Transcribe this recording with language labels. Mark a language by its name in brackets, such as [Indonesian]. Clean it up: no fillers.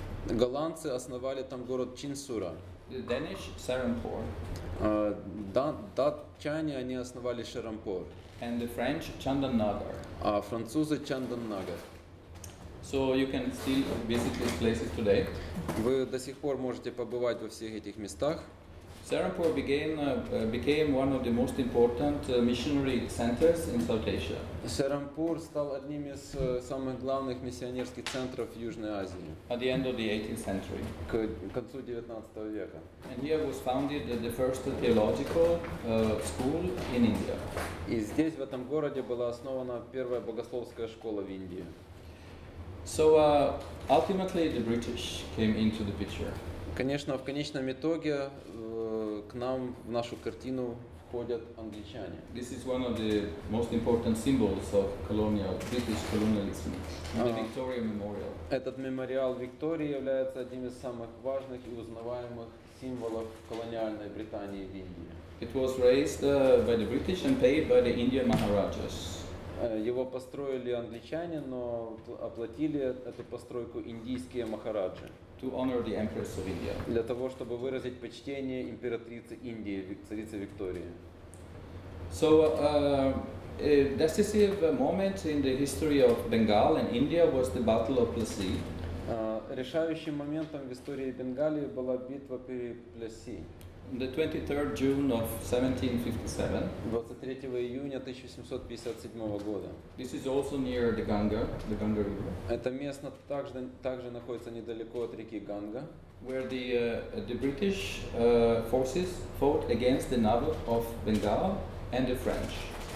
[Russian] Голландцы основали там город Чинсура. [English] The Danish Serampore. [Russian] Датчане они основали Шерампор. [English] And the French Чандан-Нагар. [Russian] А французы Чандан-Нагар. [English] So you can still visit these places today. [Russian] Вы до сих пор можете побывать во всех этих местах. [English] Serampore became one of the most important missionary centers in South Asia. [Russian] Serampur стал одним из самых главных миссионерских центров в Южной Азии. [English] At the end of the 18th century. [Russian] К концу 19 века. [English] And here was founded the first theological school in India. [Russian] И здесь в этом городе была основана первая богословская школа в Индии. [English] So ultimately the British came into the picture. [Russian] Конечно, в конечном итоге к нам в нашу картину входят англичане. [English] This is one of the most important symbols of colonial, British colonialism. The Victoria Memorial. [Russian] Этот мемориал Виктории является одним из самых важных и узнаваемых символов колониальной Британии в Индии. [English] It was raised by the British and paid by the Indian Maharajas. [Russian] Его построили англичане, но оплатили эту постройку индийские махараджи. [English] To honor the Empress of India. [Russian] Для того, чтобы выразить почтение императрице Индии, царице Виктории. [English] So a decisive moment in the history of Bengal and India was the Battle of Plassey. [Russian] Решающим моментом в истории Бенгалии была битва при Плассе. [English] The 23rd June of 1757. [Russian] 23 июня 1757 года. [English] This is also near the Ganga River. [Russian] Это место также находится недалеко от реки Ганга. [English] Where the British forces fought against the Nawab of Bengal and the French.